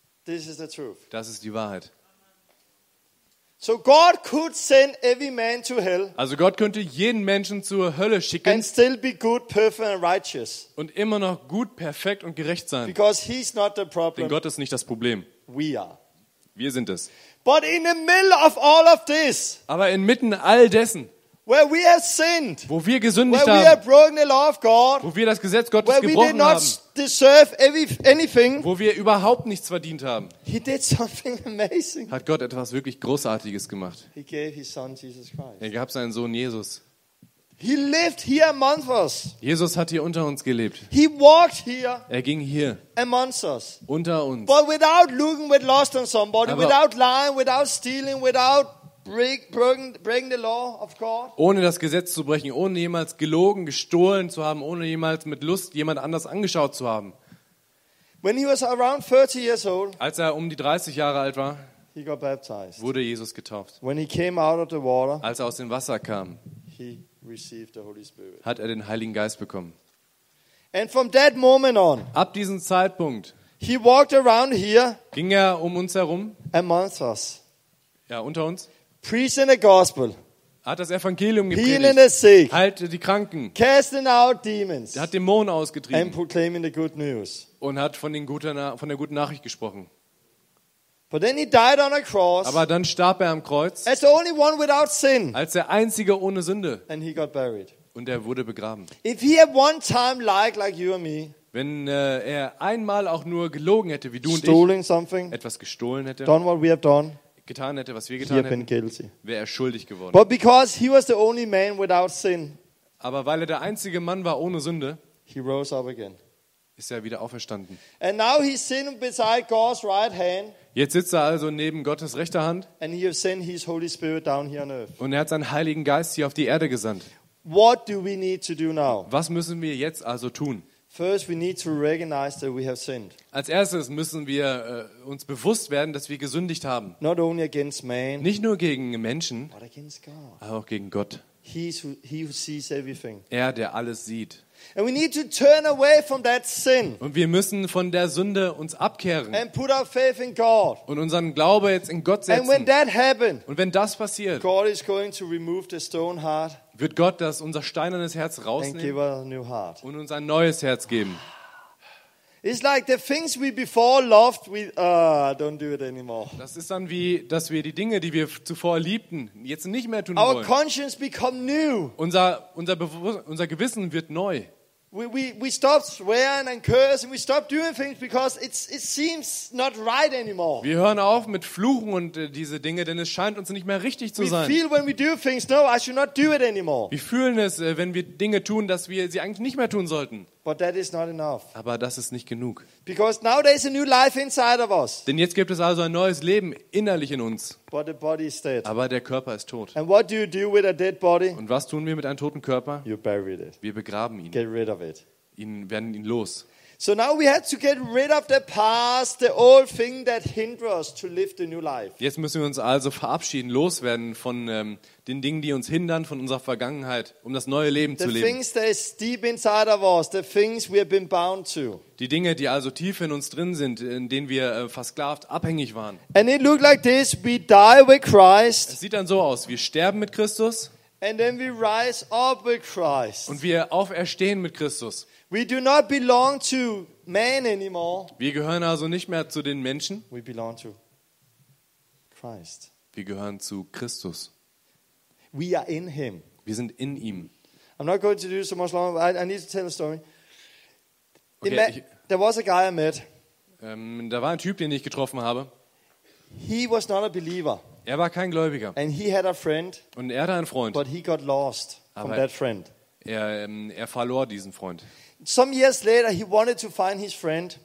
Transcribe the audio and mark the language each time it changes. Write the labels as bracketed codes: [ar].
[en] This is the truth. [de] Das ist die Wahrheit. [en] So God could send every man to hell. [de] Also Gott könnte jeden Menschen zur Hölle schicken. [en] And still be good, perfect and righteous. [de] Und immer noch gut, perfekt und gerecht sein. [en] Because he's not the problem. [de] Denn Gott ist nicht das Problem. [en] We are. [de] Wir sind es. [en] But in the middle of all of this. [de] Aber inmitten all dessen. [en] Where we have sinned. [de] Wo wir gesündigt haben. [en] Where we have broken the law of God. [de] Wo wir das Gesetz Gottes gebrochen haben. [en] Where we did not deserve anything. [de] Wo wir überhaupt nichts verdient haben. [en] He did something amazing. [de] Hat Gott etwas wirklich Großartiges gemacht. [en] He gave his son Jesus Christ. [de] Er gab seinen Sohn Jesus. [en] He lived here amongst us. [de] Jesus hat hier unter uns gelebt. [en] He walked here. [de] Er ging hier. [en] Amongst us. [de] Unter uns. [en] But without looking with lust on somebody, aber without lying, without stealing, without breaking the law of God. [de] Ohne das Gesetz zu brechen, ohne jemals gelogen, gestohlen zu haben, ohne jemals mit Lust jemand anders angeschaut zu haben. [en] When he was around 30 years old. [de] Als er um die 30 Jahre alt war. [en] He got baptized. [de] Wurde Jesus getauft. [en] When he came out of the water. [de] Als er aus dem Wasser kam. [en] He received the Holy Spirit. [de] Hat er den Heiligen Geist bekommen. [en] And from that moment on. [de] Ab diesem Zeitpunkt. [en] He walked around here. [de] Ging er um uns herum. [en] Amongst us. [de] Ja, unter uns. [en] Preaching the gospel. [de] Hat das Evangelium gepredigt. [en] Healing the sick. [de] Heilte die Kranken. [en] Casting out demons. [de] Hat Dämonen ausgetrieben. [en] And proclaiming the good news. [de] Und hat von der guten Nachricht gesprochen. [en] But then he died on a cross. [de] Aber dann starb er am Kreuz. [en] As the only one without sin. [de] Als der einzige ohne Sünde. [en] And he got buried. [de] Und er wurde begraben. [en] If he had one time lied like you and me. [de] Wenn er einmal auch nur gelogen hätte wie du und ich. [en] Stealing something. [de] Etwas gestohlen hätte. [en] Done what we have done. [de] Getan hätte, was wir getan hätten, [en] guilty. [de] Wäre er schuldig geworden. [en] But because he was the only man without sin, [de] aber weil er der einzige Mann war ohne Sünde, [en] he rose up again. [de] Ist er wieder auferstanden. [en] And now he's sitting beside God's right hand, [de] jetzt sitzt er also neben Gottes rechter Hand [en] and he has sent his Holy Spirit down here on earth. [de] Und er hat seinen Heiligen Geist hier auf die Erde gesandt. [en] What do we need to do now? [de] Was müssen wir jetzt also tun? [en] First we need to recognize that we have sinned. [de] Als erstes müssen wir uns bewusst werden, dass wir gesündigt haben. [en] Not only against man. [de] Nicht nur gegen Menschen, [en] but against God. [de] Aber auch gegen Gott. [en] He who sees everything. [de] Er, der alles sieht. [en] And we need to turn away from that sin. [de] Und wir müssen von der Sünde uns abkehren. [en] And put our faith in God. [de] Und unseren Glauben jetzt in Gott setzen. [en] And when that happens. [de] Und wenn das passiert. [en] God is going to remove the stone heart. [de] Wird Gott das unser steinernes Herz rausnehmen und uns ein neues Herz geben. [en] It's like the things we before loved we don't do it anymore. [de] Das ist dann wie, dass wir die Dinge, die wir zuvor liebten, jetzt nicht mehr tun [en] our [de] wollen. [en] Our conscience become new. [de] Unser Gewissen wird neu. [en] We stop swearing and cursing. We stop doing things because it seems not right anymore. [de] Wir hören auf mit Fluchen und diese Dinge, denn es scheint uns nicht mehr richtig zu sein. [en] We feel when we do things, no, I should not do it anymore. [de] Wir fühlen es, wenn wir Dinge tun, dass wir sie eigentlich nicht mehr tun sollten. [en] But that is not enough. [de] Aber das ist nicht genug. [en] Because now there is a new life inside of us. [de] Denn jetzt gibt es also ein neues Leben innerlich in uns. [en] But the body is dead. [de] Aber der Körper ist tot. [en] And what do you do with a dead body? [de] Und was tun wir mit einem toten Körper? [en] You buried it. [de] Wir begraben ihn. [en] Get rid of it. [de] Werden ihn los. [en] So now we had to get rid of the past, the old thing that hinders us to live the new life. [de] Jetzt müssen wir uns also verabschieden, loswerden von den Dingen, die uns hindern, von unserer Vergangenheit, um das neue Leben zu leben. [en] The things that is deep inside of us, the things we have been bound to. [de] Die Dinge, die also tief in uns drin sind, in denen wir versklavt, abhängig waren. [en] And it looked like this: we die with Christ. [de] Es sieht dann so aus: wir sterben mit Christus. [en] And then we rise up with Christ. [de] Und wir auferstehen mit Christus. [en] We do not belong to man anymore. [de] Wir gehören also nicht mehr zu den Menschen. [en] We belong to Christ. [de] Wir gehören zu Christus. [en] We are in him. [de] Wir sind in ihm. [en] I'm not going to do so much longer, but I need to tell a story. Okay, there was a guy I met. [de] Da war ein Typ, den ich getroffen habe. [en] He was not a believer. [de] Er war kein Gläubiger. [en] And he had a friend. [de] Und er hatte einen Freund. [en] But he got lost from that friend. [de] Er verlor diesen Freund. [en] Some years later, he wanted to find his friend.